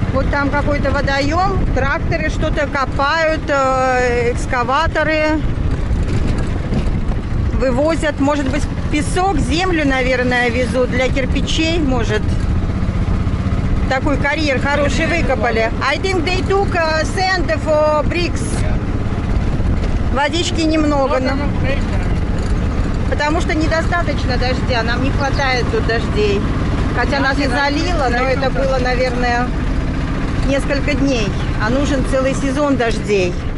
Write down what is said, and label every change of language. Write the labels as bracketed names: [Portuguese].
[Russian] Там какой-то водоем, тракторы что-то копают, экскаваторы вывозят, может быть, песок, землю, наверное, везут для кирпичей, может. Такой карьер хороший выкопали. [English] I think they took sand for bricks. [Russian] Водички немного, но... потому что недостаточно дождя, нам не хватает тут дождей. Хотя нас и залило, но это было, наверное, несколько дней, а нужен целый сезон дождей.